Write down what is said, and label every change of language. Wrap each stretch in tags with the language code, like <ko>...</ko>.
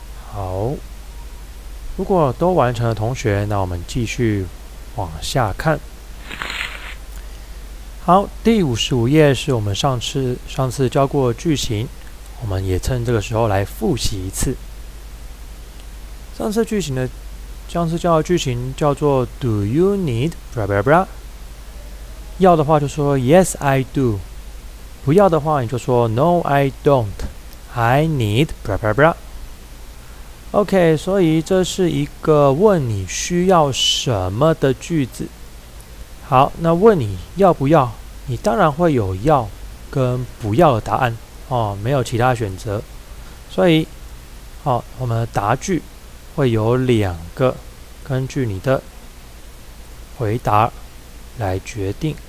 <zh>好，如果都完成了，同学，那我们继续往下看。好，第55页是我们上次教过句型，我们也趁这个时候来复习一次。上次教的句型叫做</zh> <en>Do you need blah blah blah？</en> <zh>要的话就说</zh> <en>Yes I do，</en> <zh>不要的话你就说</zh> <en>No I don't， I need blah blah blah。</en> <zh>OK， 所以这是一个问你需要什么的句子。好，那问你要不要，你当然会有要跟不要的答案哦，没有其他选择。所以，好，我们的答句会有两个，根据你的回答来决定。</zh>